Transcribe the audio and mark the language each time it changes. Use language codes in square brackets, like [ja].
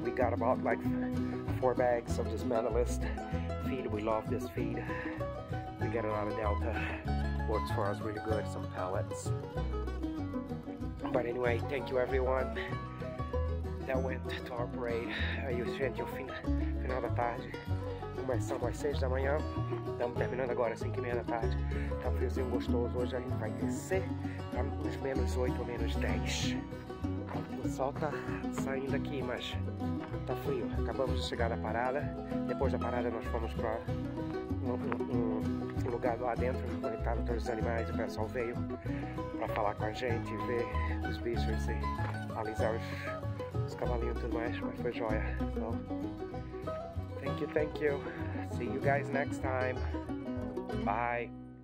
[en] We got about like 4 bags of this Metalist feed. We love this feed. We get it out of Delta. Works for us really good, some pellets. But anyway, thank you everyone that went to our parade. You spent your final [pt] da tarde. Começamos às 6 da manhã, estamos terminando agora às 5:30 da tarde. Tá friozinho gostoso, hoje a gente vai descer para uns menos 8 ou menos 10. O sol tá saindo aqui, mas tá frio. Acabamos de chegar da parada, depois da parada nós fomos para um lugar lá dentro, onde tava todos os animais, o pessoal veio para falar com a gente, ver os bichos e alisar os cavalinhos e tudo mais, mas foi joia. [en] Então, thank you, thank you. See you guys next time. Bye.